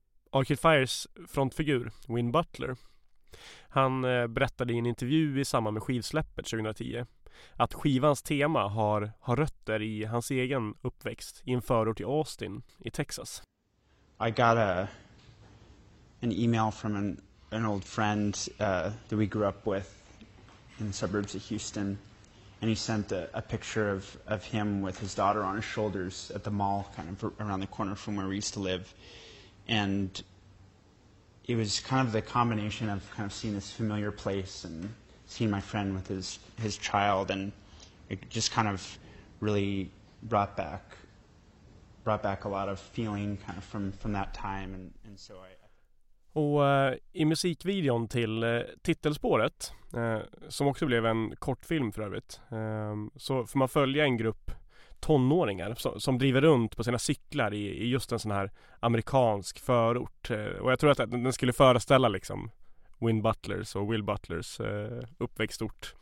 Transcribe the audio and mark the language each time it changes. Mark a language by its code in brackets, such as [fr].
[sv] Arcade Fires frontfigur, Win Butler, han berättade i en intervju i samband med skivsläppet 2010 att skivans tema har rötter i hans egen uppväxt i en förort i Austin i Texas. [en] I got an email from an old friend that we grew up with in the suburbs of Houston, and he sent a picture of him with his daughter on his shoulders at the mall kind of around the corner from where we used to live. And it was kind of the combination of kind of seeing this familiar place and seeing my friend with his child, and it just kind of really brought back a lot of feeling kind of from that time, and so I. [sv] Och i musikvideon till titelspåret, som också blev en kortfilm för övrigt, så får man följa en grupp tonåringar som driver runt på sina cyklar i just en sån här amerikansk förort. Och jag tror att den skulle föreställa liksom Win Butlers och Will Butlers uppväxtort.